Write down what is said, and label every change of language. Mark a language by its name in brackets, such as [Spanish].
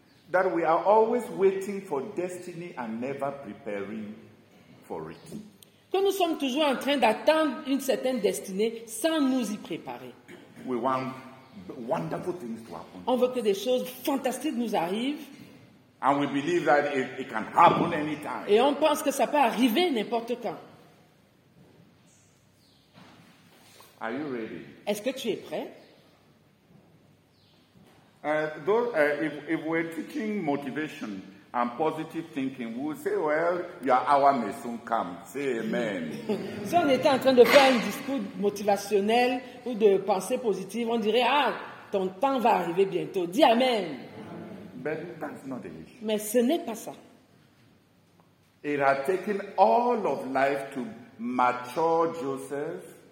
[English] That we are always waiting for destiny and never preparing for it. [French] Que nous sommes toujours en train d'attendre une certaine destinée sans nous y préparer. [English] We want wonderful things to happen. [French] On veut que des choses fantastiques nous arrivent. [English] And we believe that it can happen anytime. [French] Et on pense que ça peut arriver n'importe quand. [English] Are you ready? [French] Est-ce que tu es prêt? [English] If we're teaching motivation and positive thinking, we'll say, well, your hour may soon come. Say amen. [French] Si on était en train de faire un discours motivationnel ou de pensée positive, on dirait, ah, ton temps va arriver bientôt. Dis amen. [English] But that's not the issue. [French] Mais ce n'est pas ça. [English] It had taken all of life to mature Joseph.